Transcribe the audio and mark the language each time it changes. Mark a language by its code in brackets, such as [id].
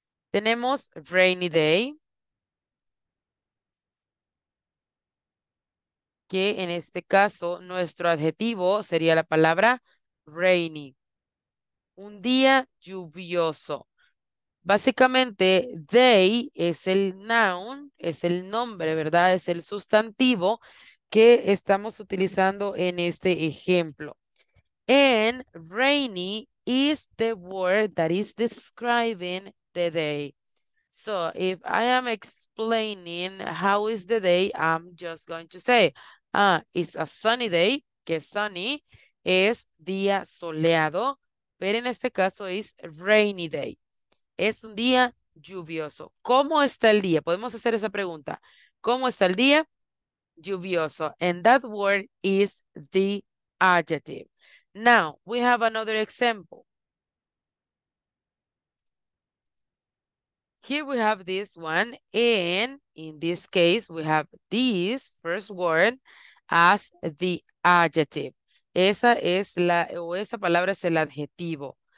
[es] Tenemos rainy day, que en este caso nuestro adjetivo sería la palabra rainy. Un día lluvioso. Básicamente, day es el noun, es el nombre, ¿verdad? Es el sustantivo que estamos utilizando en este ejemplo. [en] And rainy is the word that is describing the day. So if I am explaining how is the day, I'm just going to say, it's a sunny day, [es] que sunny es día soleado, pero en este caso es rainy day. Es un día lluvioso. ¿Cómo está el día? Podemos hacer esa pregunta. ¿Cómo está el día? Lluvioso. [en] And that word is the adjective. Now, we have another example. Here we have this one, and in this case, we have this first word as the adjective. [es] Esa es la, o esa palabra es el adjetivo.